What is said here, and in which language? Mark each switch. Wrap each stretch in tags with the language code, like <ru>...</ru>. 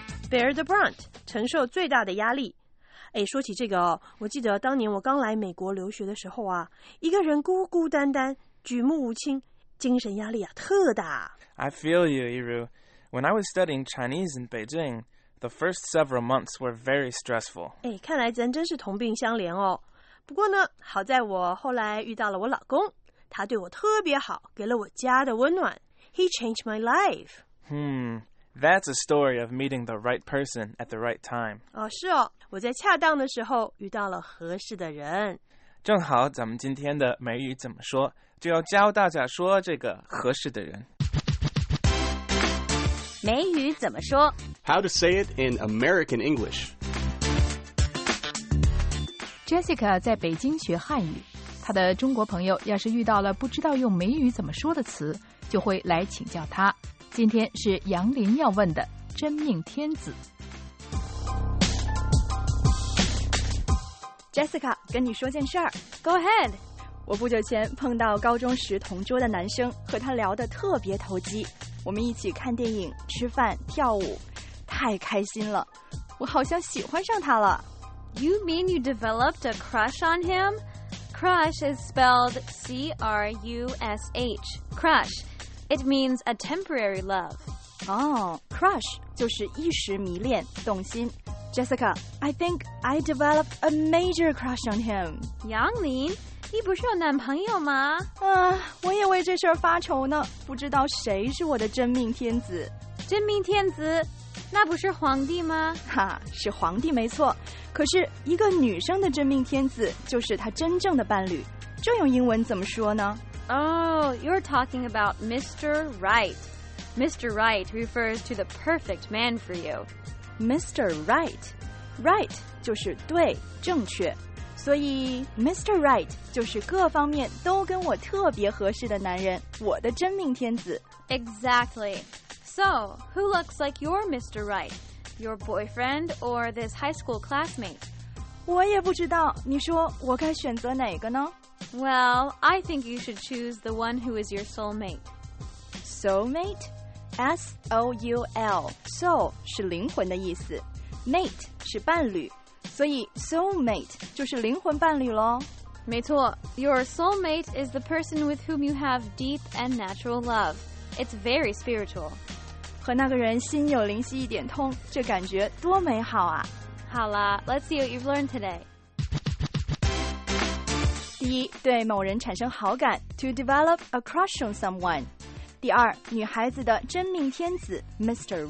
<zh>Bear the brunt， 承受最大的压力。哎，说起这个哦，我记得当年我刚来美国留学的时候啊，一个人孤孤单单，举目无亲，精神压力啊特大。</zh> <en>I feel you, Yiru. When I was studying Chinese in Beijing, the first several months were very stressful.</en> <zh>哎，看来咱真是同病相怜哦。不过呢，好在我后来遇到了我老公，他对我特别好，给了我家的温暖。</zh> <en>He changed my life. That's a story of meeting the right person at the right time.</en> <zh>哦，是哦，我在恰当的时候遇到了合适的人。正好咱们今天的美语怎么说，就要教大家说这个合适的人。美语怎么说？</zh> <en>How to say it in American English.</en> <zh>Jessica 在北京学汉语，她的中国朋友要是遇到了不知道用美语怎么说的词，就会来请教她。今天是杨林要问的真命天子。 Jessica， 跟你说件事儿。</zh> <en>Go ahead。</en> <zh>我不久前碰到高中时同桌的男生，和他聊得特别投机。我们一起看电影、吃饭、跳舞，太开心了。我好像喜欢上他了。</zh> <en>You mean you developed a crush on him? Crush is spelled C-R-U-S-H. Crush. It means a temporary love.</en> <zh>Oh, crush 就是一时迷恋，动心。</zh> <en>Jessica, I think I developed a major crush on him.</en> <zh>杨林，你不是有男朋友吗？我也为这事儿发愁呢，不知道谁是我的真命天子。真命天子？那不是皇帝吗？哈，是皇帝没错。可是一个女生的真命天子就是她真正的伴侣，这用英文怎么说呢？</zh> <en>Oh, you're talking about Mr. Right. Mr. Right refers to the perfect man for you.</en> <zh>Mr. Right. Right 就是对，正确。所以 Mr. Right 就是各方面都跟我特别合适的男人，我的真命天子。</zh> <en>Exactly. So, who looks like your Mr. Right? Your boyfriend or this high school classmate?</en> <zh>我也不知道，你说我该选择哪个呢？</zh> <en>Well, I think you should choose the one who is your soulmate.</en> <zh>Soulmate? S-O-U-L. Soul 是灵魂的意思。 Mate 是伴侣。所以 soulmate 就是灵魂伴侣咯。没错。</zh> <en>Your soulmate is the person with whom you have deep and natural love. It's very spiritual.</en> <zh>和那个人心有灵犀一点通，这感觉多美好啊。</zh> <en>好啦， let's see what you've learned today.</en> <zh>第一，对某人产生好感 ， to develop a crush on someone。第二，女孩子的真命天子 ，Mr.</zh>